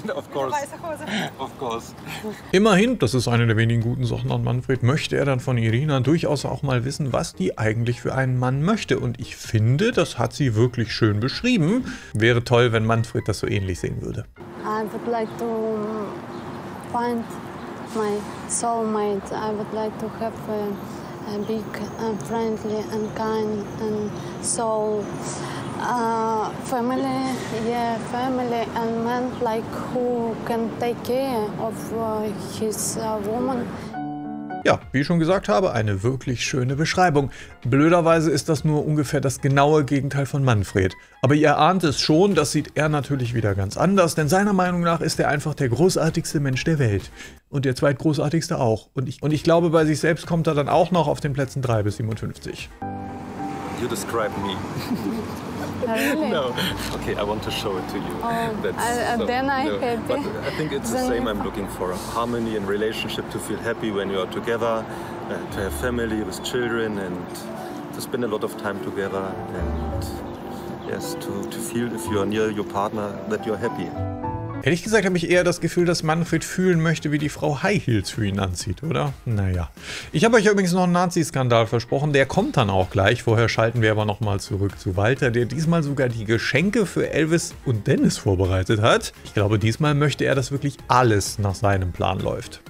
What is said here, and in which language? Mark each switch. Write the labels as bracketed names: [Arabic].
[English] Of course. Of course. [German] Immerhin, das ist eine der wenigen guten Sachen an Manfred, möchte er dann von Irina durchaus auch mal wissen, was die eigentlich für einen Mann möchte. Und ich finde, das hat sie wirklich schön beschrieben. Wäre toll, wenn Manfred das so ähnlich sehen würde. [English] I would like to find my soulmate. I would like to have a big and friendly and kind and soul family, yeah, family and man like who can take care of his woman. [German] Ja, wie ich schon gesagt habe, eine wirklich schöne Beschreibung. Blöderweise ist das nur ungefähr das genaue Gegenteil von Manfred. Aber ihr ahnt es schon, das sieht er natürlich wieder ganz anders, denn seiner Meinung nach ist er einfach der großartigste Mensch der Welt. Und der zweitgroßartigste auch. Und ich glaube, bei sich selbst kommt er dann auch noch auf den Plätzen 3 bis 57. [English] You describe me. Really? No. Okay, I want to show it to you. I think it's then the same I'm looking for. Harmony in relationship, to feel happy when you are together, to have family with children and to spend a lot of time together and yes, to feel if you are near your partner that you're happy. [German] Ehrlich gesagt habe ich eher das Gefühl, dass Manfred fühlen möchte, wie die Frau High Heels für ihn anzieht, oder? Naja. Ich habe euch übrigens noch einen Nazi-Skandal versprochen, der kommt dann auch gleich. Vorher schalten wir aber nochmal zurück zu Walter, der diesmal sogar die Geschenke für Elvis und Dennis vorbereitet hat. Ich glaube, diesmal möchte er, dass wirklich alles nach seinem Plan läuft.